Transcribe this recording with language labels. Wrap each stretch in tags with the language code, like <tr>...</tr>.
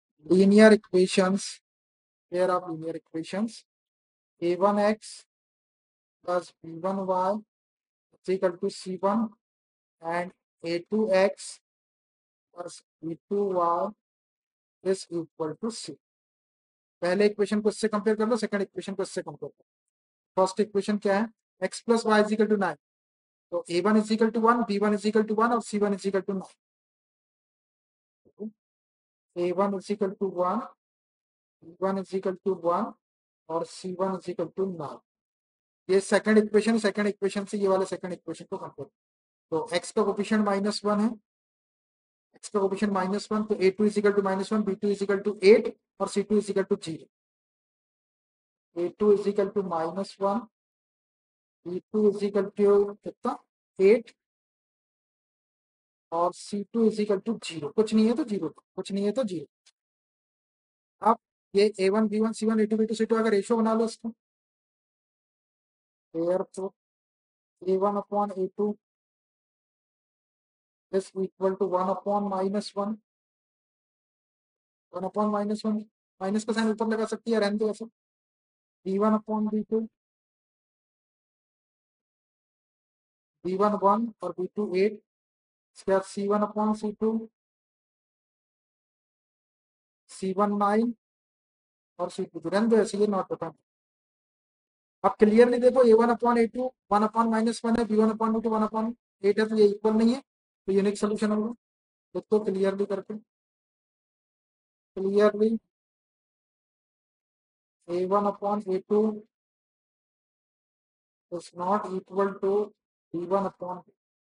<en>linear equations, pair of linear equations, a1x plus b1y is equal to c1 and a2x plus b2y is equal to c.</en> <hi>पहले equation को इससे compare कर लो, second equation को इससे compare कर लो. First equation क्या है?</hi> <en>x plus y is equal to 9. तो A one is equal to one, B one is equal to one और C one is equal to nine. A one is equal to one, B one is equal to one और C one is equal to nine.</en> <hi>ये second equation, second equation से ये वाले second equation को compare.</hi> <en>तो एक्स का coefficient minus one है, एक्स का कोफिशिएंट माइनस वन, तो A two is equal to minus one, B two is equal to eight और C two is equal to zero. A two is equal to minus one, B two is equal to कितना eight और C two is equal to zero.</en> <hi>कुछ नहीं है तो zero, कुछ नहीं है तो जीरो. अब ये ए one B one C one A to be to C to अगर रेशियो बना लो इसको,</hi> <en>therefore a1 upon a2 is equal to 1 upon minus 1,</en> <hi>1 upon minus 1 minus का साइन ऊपर लगा सकती है, रहने दो ऐसे.</hi> <en>b1 upon b2, b1 1 और b2 8, square c1 upon c2, c1 9 और c2 2,</en> <hi>रहने दो ऐसे, ये नॉट बताऊं. अब क्लियरली देखो</hi> <en>A one upon A two one upon minus one</en> <hi>है, B one upon two to one upon eight है, तो ये इक्वल नहीं है, तो यूनिक सोल्यूशन होगा. देखो क्लियरली करके,</hi> <en>Clearly A one upon A two is not equal to B one upon two.</en>